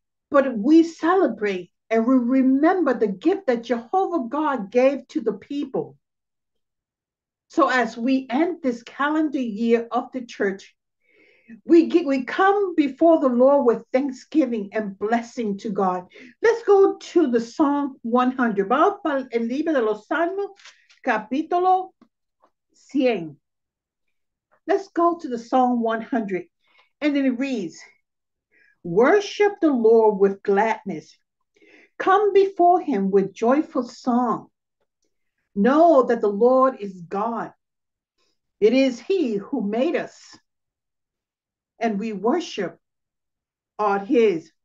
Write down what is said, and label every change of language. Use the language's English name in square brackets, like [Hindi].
[English] But we celebrate and we remember the gift that Jehovah God gave to the people. So as we end this calendar year of the church, we come before the Lord with thanksgiving and blessing to God. Let's go to the Psalm 100. [Spanish] Vamos para el libro de los Salmos, capítulo 100. [English] Let's go to the Psalm 100. And then it reads, worship the Lord with gladness. Come before Him with joyful song. Know that the Lord is God. It is He who made us. And we worship are His.